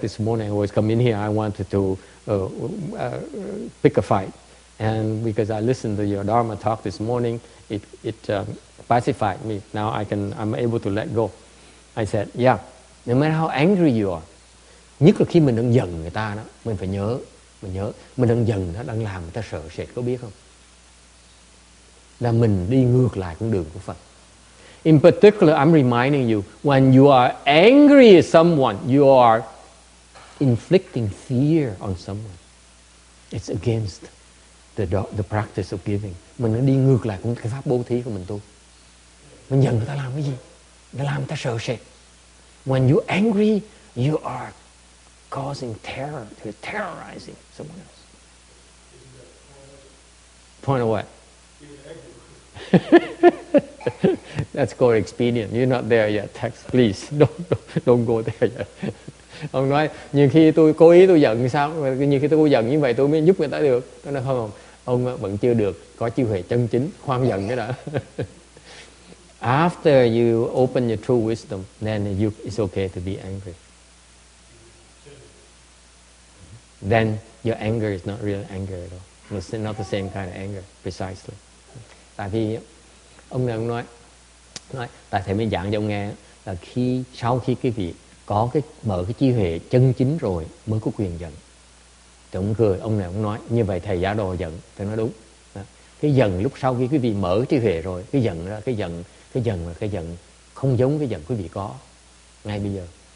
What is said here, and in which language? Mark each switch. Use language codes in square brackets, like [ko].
[en] This morning I was coming here. I wanted to pick a fight, and because I listened to your Dharma talk this morning, it pacified me. Now I'm able to let go. I said, yeah. No matter how angry you are, [vi] nhất là khi mình đang giận người ta đó, mình phải nhớ mình đang giận nó đang làm người ta sợ sệt, có biết không? Là mình đi ngược lại con đường của Phật. [en] In particular, I'm reminding you, when you are angry at someone, you are inflicting fear on someone. It's against the practice of giving. Mình đi ngược lại cái pháp bố thí của mình tu. Mình giận người ta làm cái gì? [vi] Để làm người ta sợ sệt. [en] When you angry, you are causing terror, to terrorizing someone else. Point of what? That's called expedient. You're not there yet, text. Please, don't go there yet. [vi] Ông nói, nhiều khi tôi cố ý tôi giận sao? Nhiều khi tôi cố giận như vậy tôi mới giúp người ta được. Tôi nói không, ông vẫn chưa được có trí huệ chân chính, khoan giận cái đã. [en] After you open your true wisdom, then you, it's okay to be angry. Then your anger is not real anger at all. It's not the same kind of anger, precisely. [vi] Tại vì ông này nói tại thầy mới giảng cho ông nghe là khi sau khi cái việc có cái mở cái trí huệ chân chính rồi mới có quyền giận. Thầy cũng cười, ông này cũng nói như vậy thầy giả đồ giận, thầy nói đúng. Cái giận lúc sau khi quý vị mở trí huệ rồi, cái giận đó, cái giận là cái giận không giống cái giận quý vị có ngay bây giờ.